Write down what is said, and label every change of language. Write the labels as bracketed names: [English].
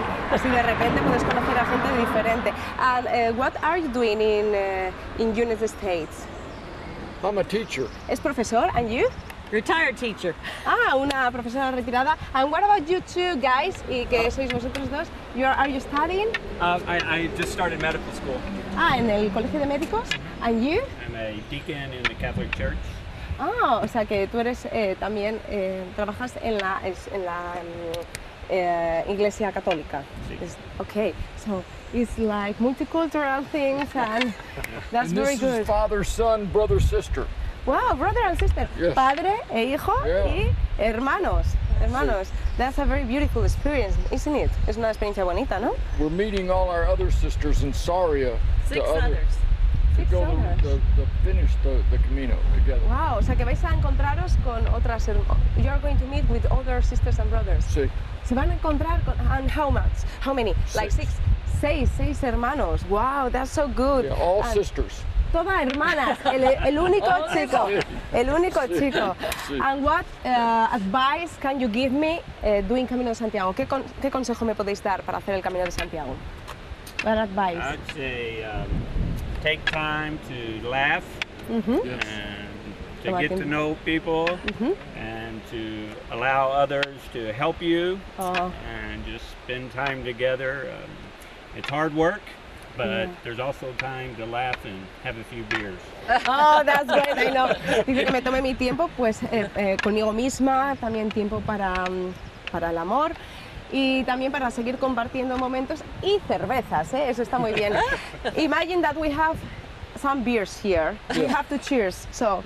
[Spanish] Así de repente puedes conocer a gente diferente. [English] And what are you doing in United States? I'm a teacher. [Spanish] Es profesor, [English] and you? Retired teacher. [Spanish] Ah, una profesora retirada. [English] And what about you two guys? [Spanish] ¿Y qué sois vosotros dos? [English] Are you studying? I just started medical school. [Spanish] Ah, en el colegio de médicos. [English] And you? I'm a deacon in the Catholic Church. [Spanish] Ah, o sea que tú eres también trabajas en la iglesia católica. Sí. [English] Okay, so. It's like multicultural things, and that's and very good. This is father, son, brother, sister. Wow, brother and sister. Yes. [Spanish] Padre e hijo y hermanos. Hermanos. [English] Yes. That's a very beautiful experience, isn't it? [Spanish] Es una experiencia bonita, ¿no? [English] We're meeting all our other sisters in Sarria. To finish the Camino together. [Spanish] Wow, o sea que vais a encontraros con otras. [English] You're going to meet with other sisters and brothers. [Spanish] Sí. Se van a encontrar con. [English] And how much? How many? Six. Like six. [Spanish] Seis hermanos. [English] Wow, that's so good. Yeah, all sisters. [Spanish] Todas hermanas. El único chico. El único chico. [English] And what advice can you give me doing Camino de Santiago? [Spanish] ¿Qué consejo me podéis dar para hacer el Camino de Santiago? [English] What advice? I'd say take time to laugh, mm-hmm. and to get to know people, mm-hmm. and to allow others to help you, and just spend time together. It's hard work, but there's also time to laugh and have a few beers. Oh, that's great, I know. [Spanish] Dice que me tome mi tiempo, pues, conmigo misma, también tiempo para el amor, y también para seguir compartiendo momentos y cervezas, ¿eh? Eso está muy bien. [English] Imagine that we have some beers here. Yeah. We have to cheers, so.